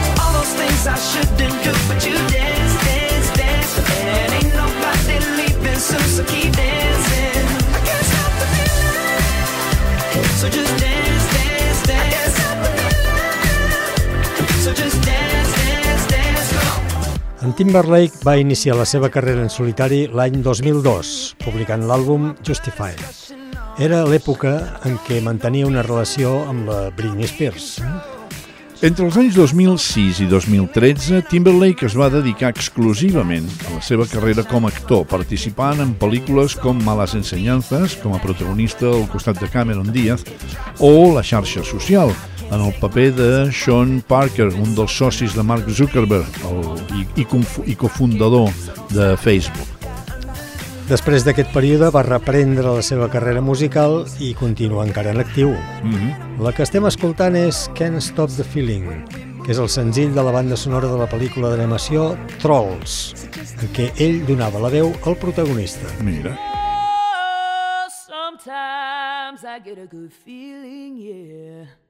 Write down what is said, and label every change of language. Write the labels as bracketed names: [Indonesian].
[English] All those things I shouldn't do, but you dance, dance, dance. And ain't nobody leaving soon, so keep dancing. I can't stop the feeling. So just dance, dance, dance. I can't stop the feeling. So just dance, dance, dance. [Catalan] En Timberlake va iniciar la seva carrera en solitari l'any 2002, publicant l'àlbum Justify. Era l'època en què mantenia una relació amb la Britney Spears. Entre els anys 2006 i 2013, Timberlake es va dedicar exclusivament a la seva carrera com a actor, participant en pel·lícules com Malas Enseñanzas, com a protagonista al costat de Cameron Diaz, o La xarxa social, en el paper de Sean Parker, un dels socis de Mark Zuckerberg i cofundador de Facebook. Després d'aquest període va reprendre la seva carrera musical i continua encara en actiu. La que estem escoltant és Can't Stop the Feeling, que és el senzill de la banda sonora de la pel·lícula d'animació Trolls, en què ell donava la veu al protagonista. Mira. [English] Oh, sometimes I get a good feeling, yeah.